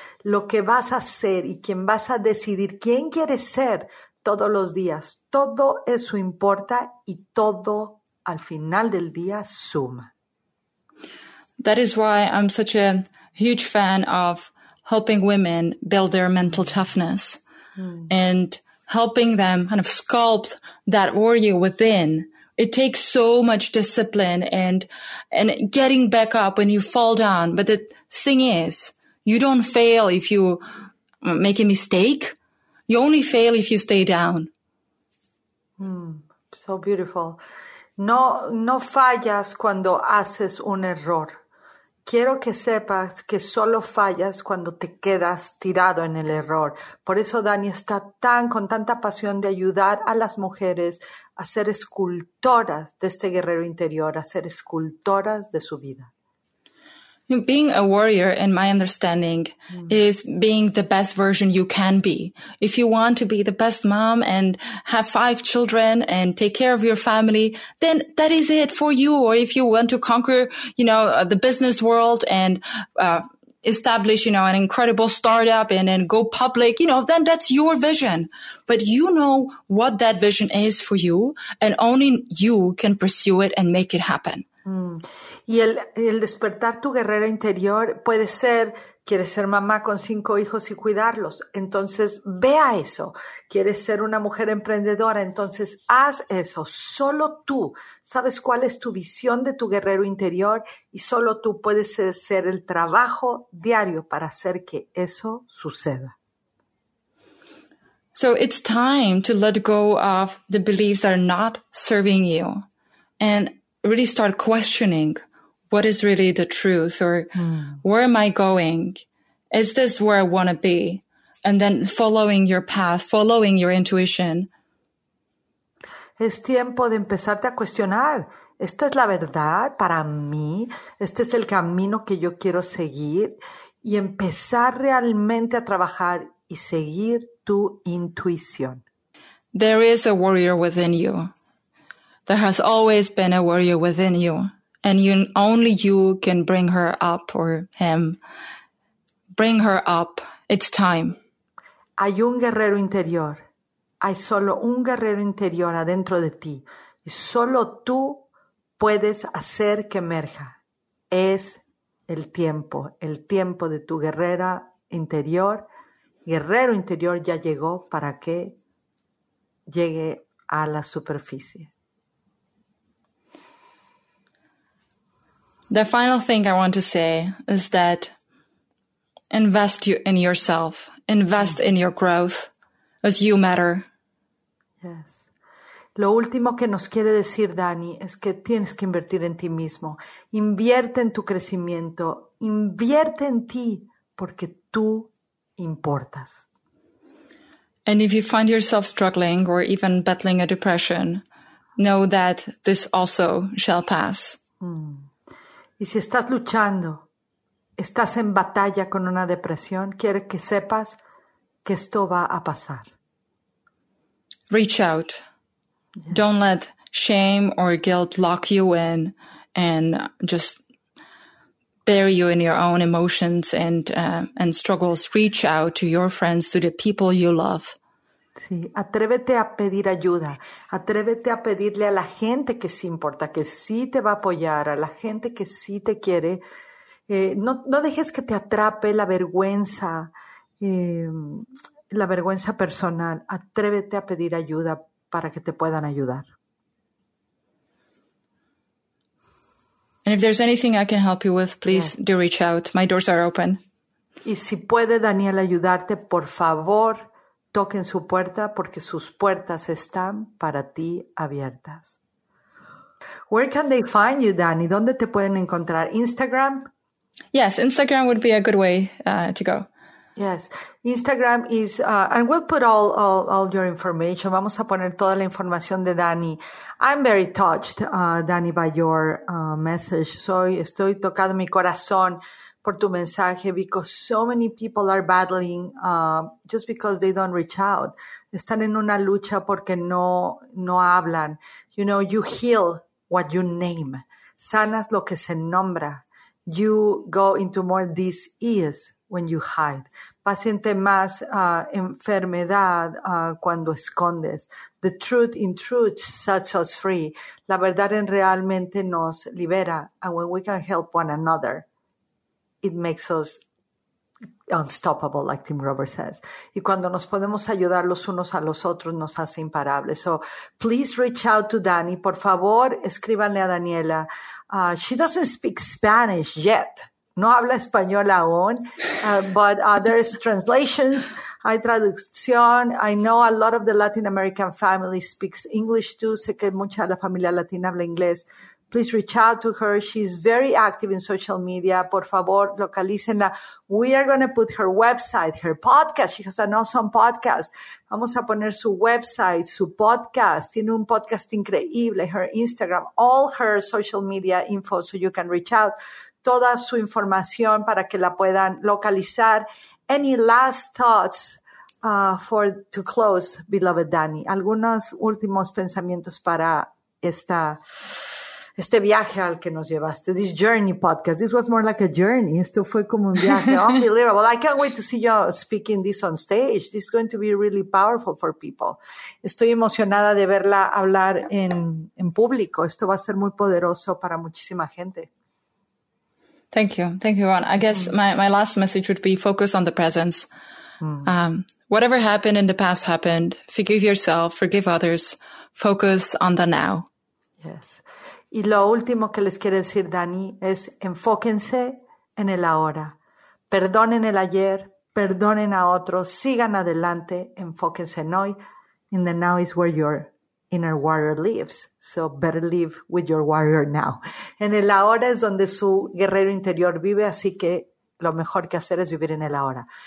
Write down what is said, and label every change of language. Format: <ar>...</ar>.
<es>Lo que vas a hacer y quién vas a decidir quién quieres ser todos los días. Todo eso importa y todo al final del día suma.</es> <en>That is why I'm such a huge fan of helping women build their mental toughness and helping them kind of sculpt that warrior within. It takes so much discipline and getting back up when you fall down. But the thing is, you don't fail if you make a mistake. You only fail if you stay down. So beautiful.</en> <es>No fallas cuando haces un error. Quiero que sepas que solo fallas cuando te quedas tirado en el error. Por eso Dani está con tanta pasión de ayudar a las mujeres a ser escultoras de este guerrero interior, a ser escultoras de su vida.</es> <en>Being a warrior, in my understanding, is being the best version you can be. If you want to be the best mom and have 5 children and take care of your family, then that is it for you. Or if you want to conquer, you know, the business world and establish, you know, an incredible startup and go public, you know, then that's your vision. But you know what that vision is for you, and only you can pursue it and make it happen.</en> <es>Y el despertar tu guerrera interior puede ser, quieres ser mamá con 5 hijos y cuidarlos, entonces ve a eso. Quieres ser una mujer emprendedora, entonces haz eso. Solo tú sabes cuál es tu visión de tu guerrero interior y solo tú puedes hacer el trabajo diario para hacer que eso suceda.</es> <en>So it's time to let go of the beliefs that are not serving you and really start questioning what is really the truth or where am I going? Is this where I want to be? And then following your path, following your intuition.</en> <es>Es tiempo de empezarte a cuestionar. ¿Esta es la verdad para mí? ¿Este es el camino que yo quiero seguir? Y empezar realmente a trabajar y seguir tu intuición.</es> <en>There is a warrior within you. There has always been a warrior within you. And you, only you can bring her up, or him. Bring her up. It's time.</en> <es>Hay un guerrero interior. Hay solo un guerrero interior adentro de ti. Y solo tú puedes hacer que emerja. Es el tiempo de tu guerrera interior. Guerrero interior ya llegó para que llegue a la superficie.</es> <en>The final thing I want to say is that invest in yourself. Invest in your growth, as you matter. Yes.</en> <es>Lo último que nos quiere decir Dani es que tienes que invertir en ti mismo. Invierte en tu crecimiento. Invierte en ti porque tú importas.</es> <en>And if you find yourself struggling or even battling a depression, know that this also shall pass.</en> <es>Y si estás luchando, estás en batalla con una depresión, quiere que sepas que esto va a pasar.</es> <en>Reach out. Yes. Don't let shame or guilt lock you in and just bury you in your own emotions and struggles. Reach out to your friends, to the people you love.</en> <es>Sí, atrévete a pedir ayuda. Atrévete a pedirle a la gente que sí importa, que sí te va a apoyar, a la gente que sí te quiere. No dejes que te atrape la vergüenza personal. Atrévete a pedir ayuda para que te puedan ayudar.</es> <en>And if there's anything I can help you with, please do reach out. My doors are open.</en> <es>Y si puede Daniel ayudarte, por favor, toquen su puerta porque sus puertas están para ti abiertas.</es> <en>Where can they find you, Dani?</en> <es>¿Dónde te pueden encontrar?</es> <en>¿Instagram? Yes, Instagram would be a good way to go. Yes, Instagram is, and we'll put all your information.</en> <es>Vamos a poner toda la información de Dani.</es> <en>I'm very touched, Dani, by your message.</en> <es>Estoy tocado mi corazón por tu mensaje,</es> <en>because so many people are battling just because they don't reach out.</en> <es>Están en una lucha porque no hablan.</es> <en>You know, you heal what you name.</en> <es>Sanas lo que se nombra.</es> <en>You go into more dis-ease when you hide.</en> <es>Vas siente más enfermedad cuando escondes.</es> <en>The truth in truth sets us free.</en> <es>La verdad en realmente nos libera.</es> <en>And when we can help one another, it makes us unstoppable, like Tim Roberts says.</en> <es>Y cuando nos podemos ayudar los unos a los otros, nos hace imparables.</es> <en>So please reach out to Dani.</en> <es>Por favor, escríbanle a Daniela.</es> <en>She doesn't speak Spanish yet.</en> <es>No habla español aún,</es> <en>but there's translations.</en> <es>Hay traducción.</es> <en>I know a lot of the Latin American family speaks English too.</en> <es>Sé que mucha de la familia latina habla inglés.</es> <en>Please reach out to her. She's very active in social media.</en> <es>Por favor, localícenla.</es> <en>We are going to put her website, her podcast. She has an awesome podcast.</en> <es>Vamos a poner su website, su podcast. Tiene un podcast increíble.</es> <en>Her Instagram, all her social media info so you can reach out.</en> <es>Toda su información para que la puedan localizar.</es> <en>Any last thoughts to close, beloved Dani?</en> <es>Algunos últimos pensamientos para este viaje al que nos llevaste,</es> <en>this journey podcast. This was more like a journey.</en> <es>Esto fue como un viaje.</es> <en>Unbelievable. I can't wait to see you speaking this on stage. This is going to be really powerful for people.</en> <es>Estoy emocionada de verla hablar en público. Esto va a ser muy poderoso para muchísima gente.</es> <en>Thank you. Thank you, Ivonne. I guess my last message would be focus on the presence. Whatever happened in the past happened. Forgive yourself, forgive others. Focus on the now. Yes.</en> <es>Y lo último que les quiere decir Dani es enfóquense en el ahora. Perdonen el ayer, perdonen a otros, sigan adelante, enfóquense en hoy.</es> <en>In the now is where your inner warrior lives, so better live with your warrior now.</en> <es>En el ahora es donde su guerrero interior vive, así que lo mejor que hacer es vivir en el ahora.</es>